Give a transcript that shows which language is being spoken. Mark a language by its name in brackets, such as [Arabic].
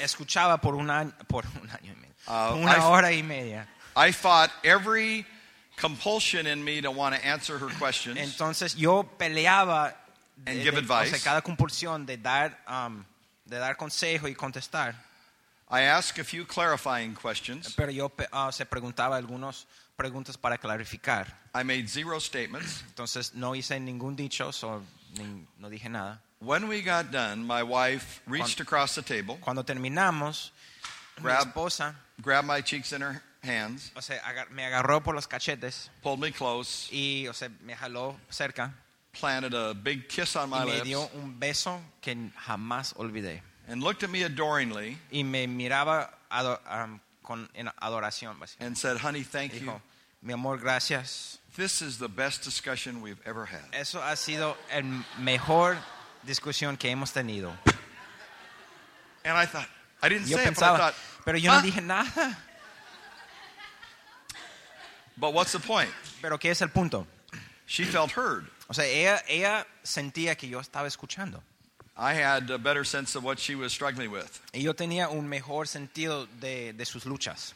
[Spanish] Escuchaba por una hora y media. [English] I fought every compulsion in me to want to answer her questions. [Spanish] Entonces yo peleaba [English] and give advice. [Spanish] O sea, cada compulsión de dar consejo y contestar. [English] I asked a few clarifying questions. [Spanish] Pero yo se preguntaba algunas preguntas para clarificar. [English] I made zero statements. [Spanish] Entonces no hice ningún dicho, no dije nada. [English] When we got done, my wife reached across the table. [Spanish] Cuando terminamos, [English] grabbed my cheeks in her hands. [Spanish] O sea, me agarró por los cachetes. [English] Pulled me close. [Spanish] Y o sea, me jaló cerca. [English] Planted a big kiss on my lips. [Spanish] Y me dio un beso que jamás olvidé. [English] And looked at me adoringly. [Spanish] Y me miraba con adoración. [English] And said, "Honey, thank you. [Spanish] Mi amor, gracias. [English] This is the best discussion we've ever had." [Spanish] Eso ha sido el mejor discusión que hemos tenido. [English] And I thought, I didn't [Spanish] yo [English] say [Spanish] pensaba, [English] it, but I thought, [Spanish] pero yo no dije nada. [English] But what's the point? [Spanish] Pero ¿qué es el punto? [English] She felt heard. [Spanish] O sea, ella sentía que yo estaba escuchando. [English] I had a better sense of what she was struggling with. [Spanish] Y yo tenía un mejor sentido de sus luchas.